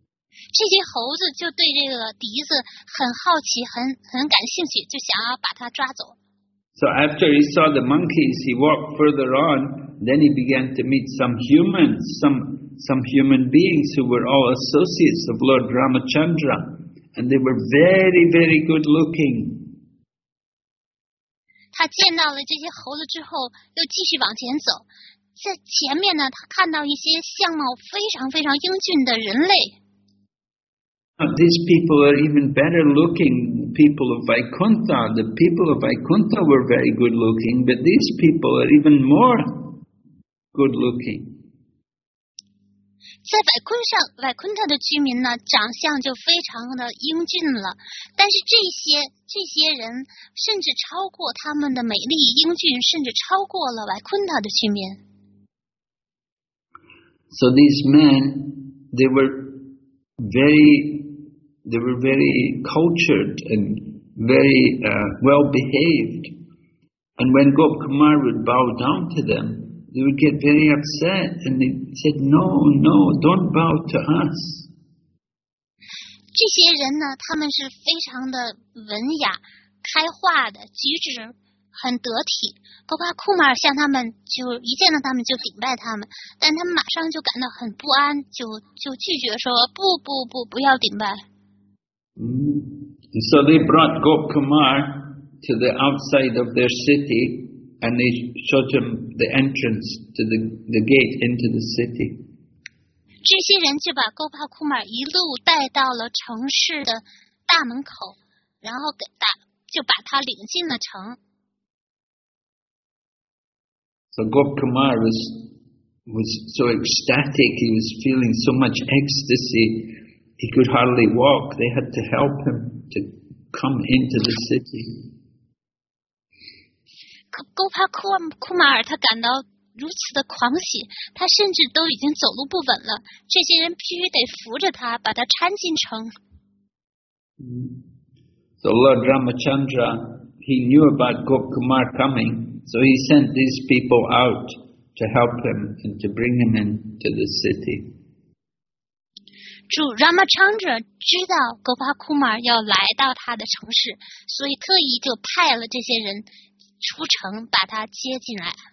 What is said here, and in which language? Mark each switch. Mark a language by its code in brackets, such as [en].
[zh] 这些猴子就对这个笛子很好奇，很感兴趣，就想要把它抓走。 [en] So after he saw the monkeys, he walked further on. Then he began to meet some humans, some human beings who were all associates of Lord Ramachandra, and they were very very good looking. [zh] 他见到了这些猴子之后，又继续往前走，在前面呢，他看到一些相貌非常非常英俊的人类。 [en] These people are even better looking people of Vaikuntha. The people of Vaikuntha were very good looking, but these people are even more good looking. [zh] 在 Vaikuntha 的居民呢，长相就非常的英俊了。但是这些人甚至超过他们的美丽英俊，甚至超过了 Vaikuntha 的居民。 [en] So these men, they were very cultured and very well behaved. And when Gop Kumar would bow down to them, they would get very upset and they said, "No, no, don't bow to us." [zh] 这些人呢，他们是非常的文雅、开化的，举止很得体。不过库马尔向他们就一见到他们就顶拜他们，但他们马上就感到很不安，就拒绝说不不不，不要顶拜。 [en] So they brought Gop Kumar to the outside of their city and they showed him the entrance to the gate into the city. [zh] 这些人就把 Gopal Kumar 一路带到了城市的大门口，然后就把他领进了城。 [en] So Gop Kumar was so ecstatic, he was feeling so much ecstasy. He could hardly walk. They had to help him to come into the city. [zh] Gopal Kumar, 他感到如此的狂喜，他甚至都已经走路不稳了。这些人必须得扶着他，把他搀进城。 [en] So Lord Ramachandra, he knew about Gop Kumar coming, so he sent these people out to help him and to bring him into the city. [zh] 主 Ramachandra 知道 Gopal Kumar 要来到他的城市，所以特意就派了这些人出城把他接进来。